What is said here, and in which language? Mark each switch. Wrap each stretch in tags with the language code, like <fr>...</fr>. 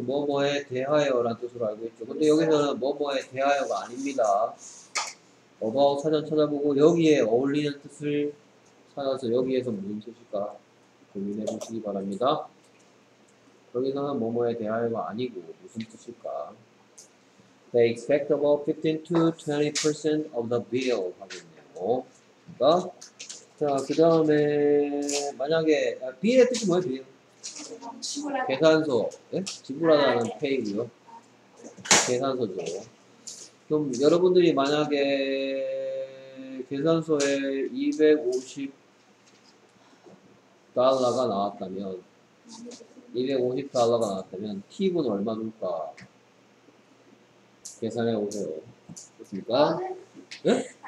<ko>뭐뭐에 대하여라는 뜻으로 알고 있죠. 근데 여기서는 뭐뭐에 대하여가 아닙니다. about 사전 찾아보고 여기에 어울리는 뜻을 찾아서 여기에서 무슨 뜻일까 고민해 보시기 바랍니다. 여기서는 뭐뭐에 대하여가 아니고 무슨 뜻일까?</ko> <en>They expect about 15% to 20% of the bill</en> <ko>하고 있네요. 그러니까 자, 그 다음에 만약에 아, 비의 뜻이 뭐예요? 비? 지불하다. 계산서. 예? 지불하다는 아, 네. 페이고요. 계산서죠. 그럼 여러분들이 만약에 계산서에 $250가 나왔다면 $250가 나왔다면 팁은 얼마 줄까? 계산해 보세요. 그렇습니까? 예?</ko>